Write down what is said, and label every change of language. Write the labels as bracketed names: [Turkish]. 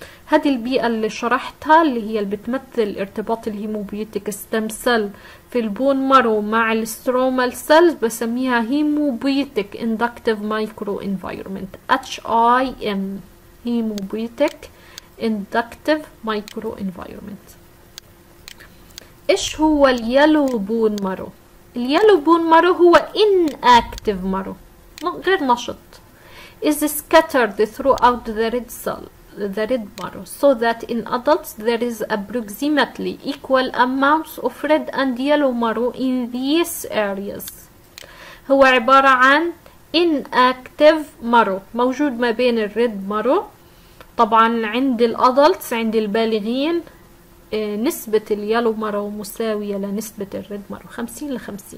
[Arabic] هذه البيئة اللي شرحتها اللي هي اللي بتمثل ارتباط الهيموبيوتيك ستام سيل في البون مارو مع الاسترومال سيل بسميها هيموبيوتيك اندكتيف مايكرو انفايرمنت، HIM، هيموبيوتيك اندكتيف مايكرو انفايرمنت. ايش هو اليلو بون مارو؟ اليلو بون مارو هو inactive مارو، غير نشط. [English] is scattered throughout the red cell, the red marrow, so that in adults there is approximately equal amounts of red and yellow marrow in these areas. [Arabic] هو عبارة عن inactive marrow، موجود ما بين الريد مارو. طبعا عند الأدلتس، عند البالغين، نسبة اليلو مارو مساوية لنسبة الريد مارو 50-50.